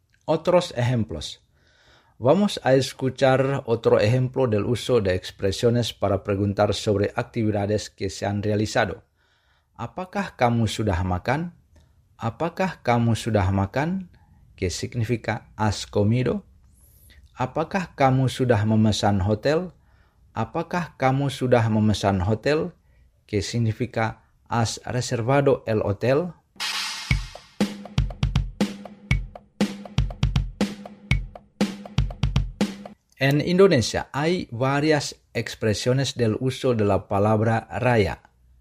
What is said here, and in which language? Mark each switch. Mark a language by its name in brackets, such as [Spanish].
[Spanish] Otros ejemplos. Vamos a escuchar otro ejemplo del uso de expresiones para preguntar sobre actividades que se han realizado. [Indonesian] ¿Apakah kamu sudah makan? ¿Apakah kamu sudah makan? [Spanish] Que significa ¿has comido? [Indonesian] ¿Apakah kamu sudah memesan hotel? ¿Apakah kamu sudah memesan hotel? [Spanish] Que significa ¿has reservado el hotel? En Indonesia hay varias expresiones del uso de la palabra raya.